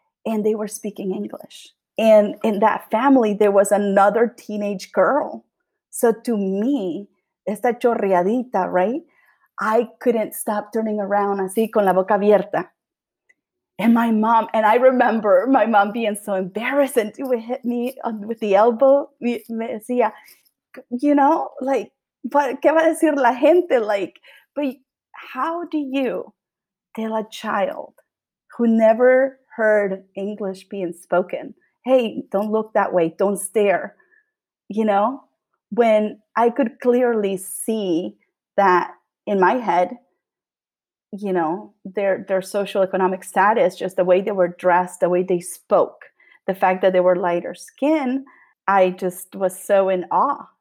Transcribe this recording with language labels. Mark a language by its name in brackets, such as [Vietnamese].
[English] And they were speaking English. And in that family, there was another teenage girl. So to me, [Spanish] esta chorreadita, [English] right? I couldn't stop turning around [Spanish] así con la boca abierta. [English] And my mom, and I remember my mom being so embarrassed, and she would hit me on, with the elbow. [Spanish] Me decía, [English] you know, like, [Spanish] ¿qué va a decir la gente? [English] Like, but how do you tell a child who never heard English being spoken, hey, don't look that way, don't stare, you know? When I could clearly see that in my head, you know, their social economic status, just the way they were dressed, the way they spoke, the fact that they were lighter skin, I just was so in awe.